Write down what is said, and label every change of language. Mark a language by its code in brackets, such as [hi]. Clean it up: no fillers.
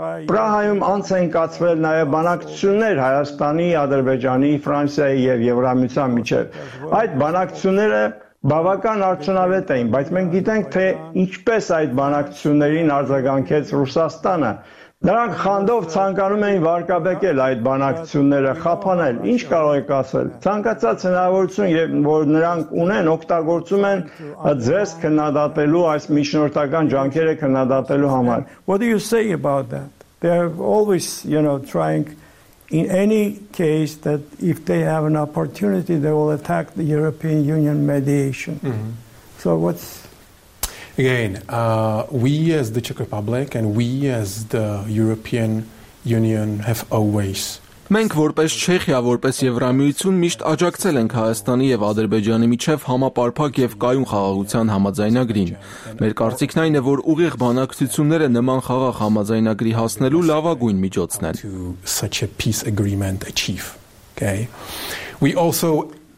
[hy] Պրահայում անց են կացվել նաեւ բանակցություններ Հայաստանի, Ադրբեջանի, Ֆրանսիայի եւ Եվրամիության միջեւ։ Այդ բանակցությունները բավական արդյունավետ էին, բայց մենք գիտենք, թե ինչպես այդ բանակցություններին արձագանքեց Ռուսաստանը։ Նրանք խանդով ցանկանում էին վարկաբեկել այդ բանակցությունները, խափանել։ Ինչ կարող եք ասել։ Ցանկացած հնարավորություն, որ նրանք ունեն, օգտագործում են ձեզ քննադատելու, այս միջնորդական ջանքերը քննադատելու համար։ [en] What do you say about that? They are always, you know, trying in any case that if they have an opportunity they will attack the European Union mediation. So what's Again, we as the Czech Republic and we as the European Union have always [hy] Մենք որպես Չեխիա, որպես Եվրամիություն միշտ աջակցել ենք Հայաստանի եւ Ադրբեջանի միջև համապարփակ եւ կայուն խաղաղության համաձայնագրին։ Մեր կարծիքն այն է, որ ուղիղ բանակցությունները նման խաղաղ համաձայնագրի հասնելու լավագույն միջոցն են։ [en] Such a peace agreement achieve. Okay? We also